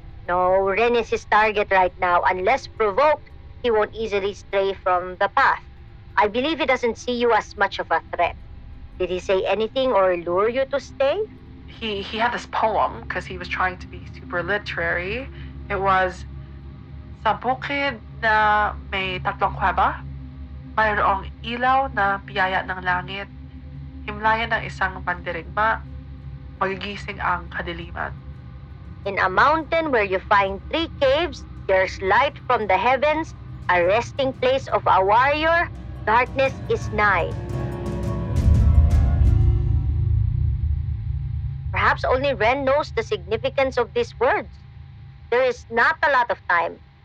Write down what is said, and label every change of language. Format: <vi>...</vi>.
<en>No, Ren is his target right now. Unless provoked, he won't easily stray from the path. I believe he doesn't see you as much of a threat. Did he say anything or lure you to stay? He had this poem because he was trying to be super literary.</en> <tl>It was, Sa bukid na may tatlong kuweba, mayroong ilaw na biyaya ng langit, himlayan ng isang mandirigma, magigising ang kadiliman.</tl> <en>In a mountain where you find 3 caves, there's light from the heavens, a resting place of a warrior, darkness is nigh. Perhaps only Ren knows the significance of these words. There is not a lot of time.</en>